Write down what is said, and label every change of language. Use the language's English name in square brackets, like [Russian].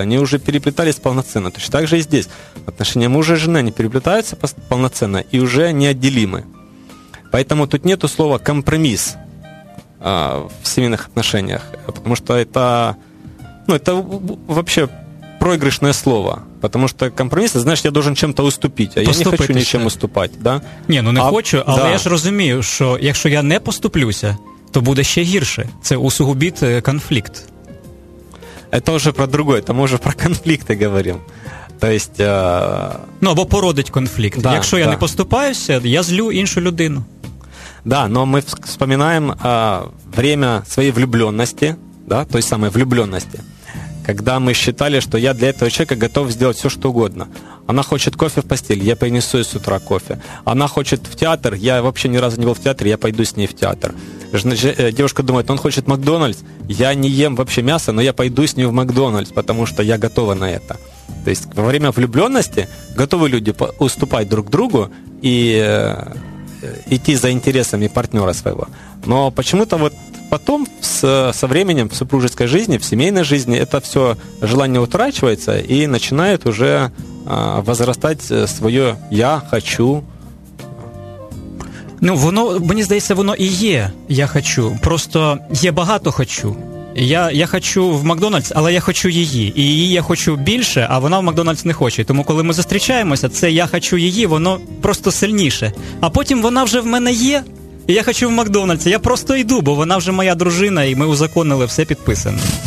[Russian] Они уже переплетались полноценно. Точно так же и здесь. Отношения мужа и жены, они переплетаются полноценно и уже неотделимы. Поэтому тут нету слова «компромисс» в семейных отношениях, потому что это, ну, это вообще проигрышное слово. Потому что компромисс, знаешь, я должен чем-то уступить, а я не хочу [Ukrainian] нічим уступати. [Russian] Да? [Ukrainian] Ні, ну не хочу, але да. Я ж розумію, що якщо я не поступлюся, то буде ще гірше. Це усугубить конфлікт. [Russian] Это уже про другое, это мы уже [Ukrainian] про конфлікти говоримо. [Russian] То есть, [Ukrainian] ну, або породить конфлікт. Да, якщо я не поступаюся, я злю іншу людину. [Russian] Да, но мы вспоминаем время своей влюбленности, да, той самой влюбленности, когда мы считали, что я для этого человека готов сделать все, что угодно. Она хочет кофе в постель, я принесу ей с утра кофе. Она хочет в театр, я вообще ни разу не был в театре, я пойду с ней в театр. Девушка думает, он хочет Макдональдс, я не ем вообще мясо, но я пойду с ней в Макдональдс, потому что я готова на это. То есть во время влюбленности готовы люди уступать друг другу и идти за интересами партнера своего. Но почему-то вот потом со временем в супружеской жизни, в семейной жизни это все желание утрачивается и начинает уже возрастать свое «я хочу». [Ukrainian] Ну, воно, мені здається, воно і є «я хочу». Просто є багато «хочу». Я хочу в Макдональдс, але я хочу її. І її я хочу більше, а вона в Макдональдс не хоче. Тому коли ми зустрічаємося, це «я хочу її», воно просто сильніше. А потім вона вже в мене є, і я хочу в Макдональдс. Я просто йду, бо вона вже моя дружина, і ми узаконили все підписане.